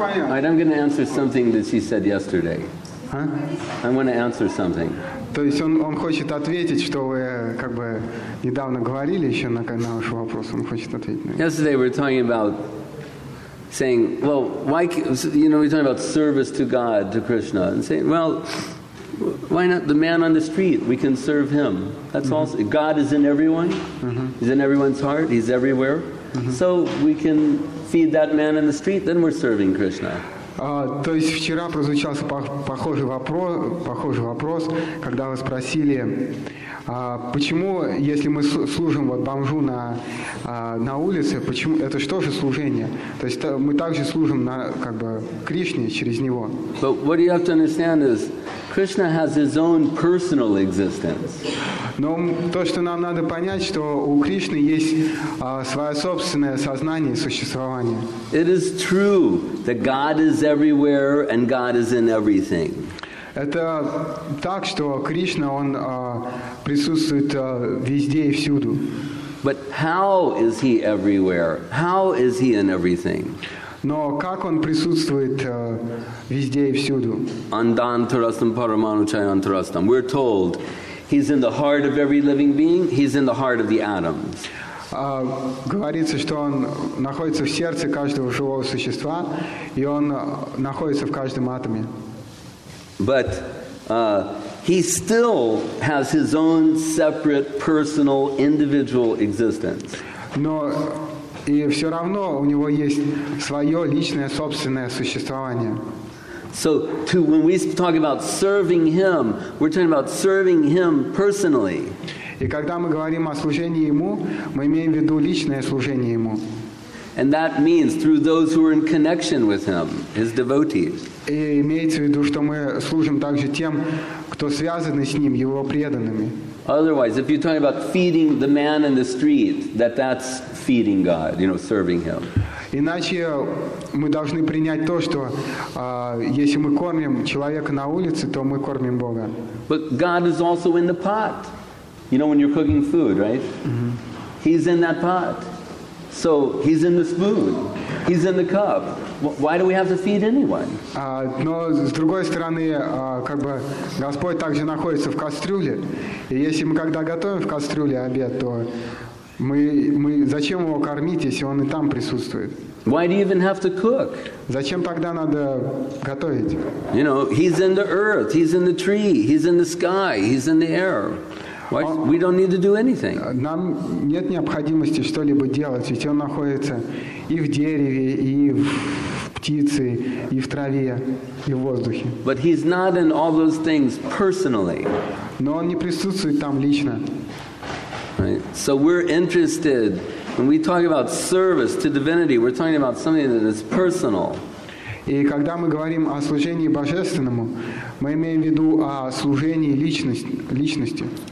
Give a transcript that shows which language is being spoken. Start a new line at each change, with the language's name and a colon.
English: right, I'm going to answer something that she said yesterday. Huh? I'm going to answer something.
Russian: То есть он хочет ответить, что вы как бы недавно говорили еще на ваш вопрос. Он хочет ответить.
English: Yesterday we were talking about saying, well, why? You know, we're talking about service to God, to Krishna, and saying, well, why not the man on the street? We can serve him. That's mm-hmm. also God is in everyone. Mm-hmm. He's in everyone's heart. He's everywhere. Mm-hmm. So we can feed that man in the street, then we're serving Krishna.
Russian: То есть вчера прозвучался похожий вопрос, когда вы спросили, почему, если мы служим вот бомжу на улице, почему это что же служение? То есть мы также служим на как бы Кришне через него.
English: But what you have to understand is Krishna has his own personal existence.
Russian: Но то, что нам надо понять, что у Кришны есть свое собственное сознание и существование.
English: It is true that God is everywhere and God is in everything.
Russian: Это так, что Кришна, Он присутствует везде и всюду.
English: But how is He everywhere? How is He in everything?
Russian: Но как Он присутствует везде и всюду?
Sanskrit: Andantarastam paramanuchayantarastam.
English: We're told He's in the heart of every living being, He's in the heart of the atoms.
Russian: Говорится, что Он находится в сердце каждого живого существа, и Он находится в каждом атоме.
English: But he still has his own separate, personal, individual existence.
Russian: Но и все равно у него есть свое личное, собственное существование.
English: So, when we talk about serving him, we're talking about serving him personally.
Russian: И когда мы говорим о служении ему, мы имеем в виду личное служение ему.
English: And that means through those who are in connection with him, his devotees.
Russian: И имеется в виду, что мы служим также тем, кто связан с ним, его преданными.
English: Otherwise, if you're talking about feeding the man in the street, that's feeding God, you know, serving him.
Russian: Иначе мы должны принять то, что если мы кормим человека на улице, то мы кормим Бога.
English: But God is also in the pot. You know, when you're cooking food, right? Mm-hmm. He's in that pot. So he's in the spoon. He's in the cup. Why do we have to feed anyone?
Russian: Но с другой стороны, как бы Господь также находится в кастрюле. И если мы когда готовим в кастрюле обед, то мы зачем его кормить, если он и там присутствует?
English: Why do you even have to cook?
Russian: Зачем тогда надо готовить?
English: You know, he's in the earth, he's in the tree, he's in the sky, he's in the air. Why, we don't need to do anything.
Russian: Нам нет необходимости что-либо делать, ведь он находится и в дереве, и в птице, и в траве, и в воздухе.
English: But he's not in all those things personally.
Russian: Но он не присутствует там лично.
English: Right. So we're interested when we talk about service to divinity, we're talking about something that is personal.
Russian: И когда мы говорим о служении божественному, мы имеем в виду о служении личности.